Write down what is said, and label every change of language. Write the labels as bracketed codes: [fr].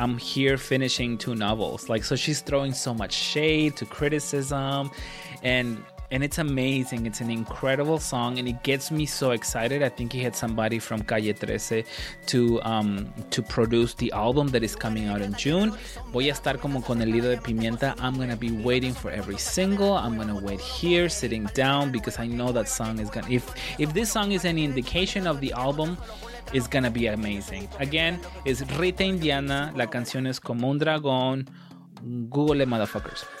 [en] I'm here finishing two novels. Like, so she's throwing so much shade to criticism. And it's amazing. It's an incredible song. And it gets me so excited. I think he had somebody from Calle 13 to produce the album that is coming out in June. [es] Voy a estar como con el hilo de pimienta. [en] I'm going to be waiting for every single. I'm going to wait here, sitting down, because I know that song is going to... If this song is any indication of the album, it's going to be amazing. Again, it's Rita Indiana. [es] La canción es Como un Dragón. [en] Google it, motherfuckers.